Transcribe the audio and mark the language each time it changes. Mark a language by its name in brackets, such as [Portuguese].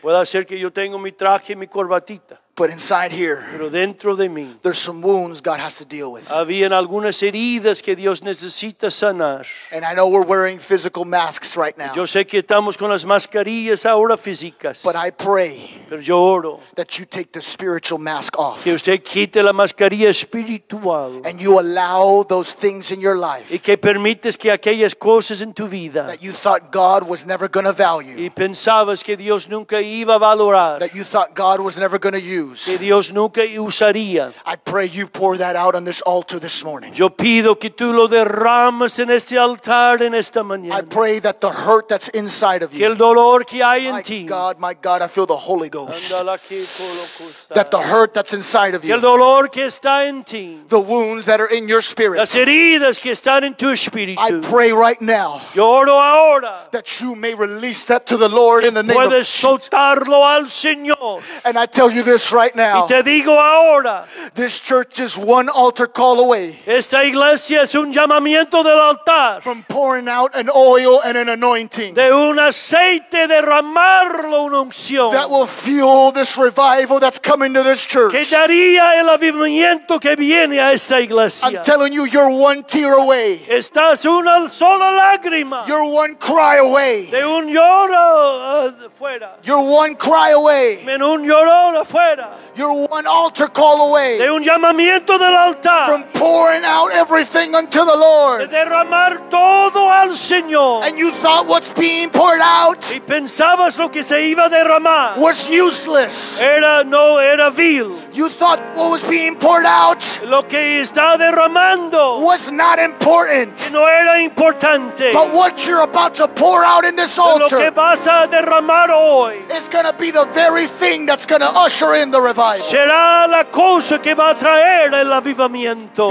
[Spanish] Puede ser que yo tengo mi traje y mi corbatita. [English] But inside here, [Spanish] pero dentro de mí, [English] there's some wounds God has to deal with. [Spanish] Habían algunas heridas que Dios necesita sanar. [English] And I know we're wearing physical masks right now. [Spanish] Yo sé que estamos con las mascarillas ahora físicas. [English] But I pray. [Spanish] Yo oro [English] that you take the spiritual mask off. [Spanish] Que usted quite la mascarilla espiritual. [English] And you allow those things in your life. [Spanish] Y que permites que aquellas cosas en tu vida. [English] That you thought God was never going to value. [Spanish] Y pensabas que Dios nunca iba a valorar. [English] That you thought God was never going to use. [Spanish] Que Dios nunca usaría. [English] I pray you pour that out on this altar this morning. [Spanish] Yo pido que tú lo derrames en este altar en esta mañana. [English] I pray that the hurt that's inside of you. [Spanish] Que el dolor que hay en ti. [English] My God, I feel the Holy Ghost. That the hurt that's inside of you. [Spanish] Que el dolor que está en ti. [English] The wounds that are in your spirit. [Spanish] Las heridas que están en tu espíritu. [English] I pray right now. [Spanish] Yo oro ahora. [English] That you may release that to the Lord in the name of Jesus. [Spanish] Puedes soltarlo al Señor. [English] And I tell you this right now. [Spanish] Y te digo ahora. [English] This church is one altar call away. [Spanish] Esta iglesia es un llamamiento del altar. [English] From pouring out an oil and an anointing. [Spanish] De un aceite derramarlo una unción. [English] That will fuel this revival that's coming to this church. [Spanish] Que daría el avivamiento que viene a esta iglesia. [English] I'm telling you, you're one tear away. [Spanish] Estás una sola lágrima. [English] You're one cry away. [Spanish] De un lloro fuera. [English] You're one cry away. [Spanish] Men un lloro afuera. [English] You're one altar call away. [Spanish] De un llamamiento del altar. [English] From pouring out everything unto the Lord. [Spanish] De derramar todo al Señor. [English] And you thought what's being poured out. [Spanish] Y pensabas lo que se iba a derramar. [English] Was useless. [Spanish] Era vil. [English] You thought what was being poured out. [Spanish] Lo que estaba derramando. [English] Was not important. [Spanish] No era importante. [English] But what you're about to pour out in this altar. [Spanish] Lo que vas a derramar hoy. [English] Is going to be the very thing that's going to usher in the revival. [Spanish] Será la cosa que va a traer el avivamiento.